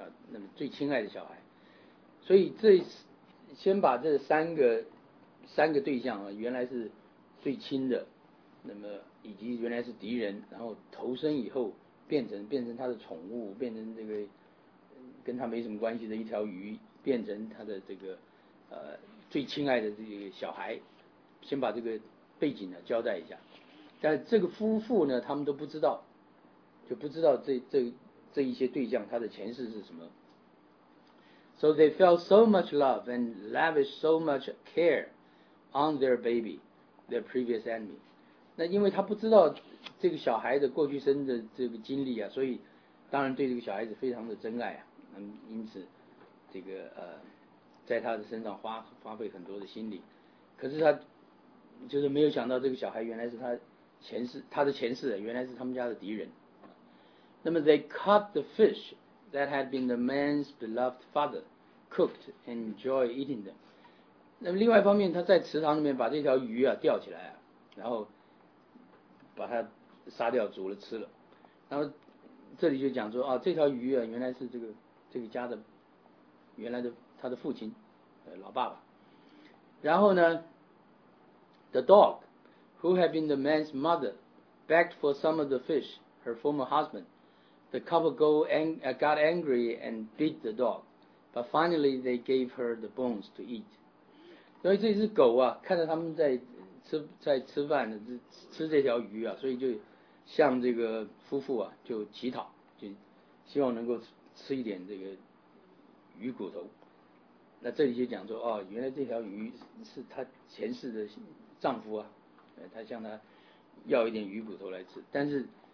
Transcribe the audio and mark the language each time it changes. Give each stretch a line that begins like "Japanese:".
Chinese: 那么最亲爱的小孩，所以这先把这三个对象啊，原来是最亲的，那么以及原来是敌人，然后投身以后变成他的宠物，变成这个跟他没什么关系的一条鱼，变成他的这个最亲爱的这个小孩，先把这个背景呢交代一下。但这个夫妇呢，他们都不知道，就不知道这一些对象他的前世是什么。
English: So they felt so much love and lavished so much care on their baby, their previous enemy.
Chinese: 那因为他不知道这个小孩的过去生的这个经历啊，所以当然对这个小孩子非常的真爱啊，因此这个在他的身上花费很多的心力。可是他就是没有想到这个小孩原来是他的前世原来是他们家的敌人。
English: 那么 they caught the fish that had been the man's beloved father cooked and enjoyed eating them.
Chinese: 那么另外一方面，他在池塘里面把这条鱼啊钓起来啊，然后把它杀掉煮了吃了。然后这里就讲说啊，这条鱼啊原来是这个家的原来的他的父亲老爸爸。
English: 然后呢 the dog who had been the man's mother begged for some of the fish her former husbandThe couple got angry and beat the dog, but finally they gave her the bones to eat.
Chinese: 所以这只狗啊，看着他们在吃饭，吃这条鱼啊，所以就向这个夫妇啊就乞讨，就希望能够吃一点这个鱼骨头。那这里就讲说，哦，原来这条鱼是他前世的丈夫啊，他向他要一点鱼骨头来吃，但是。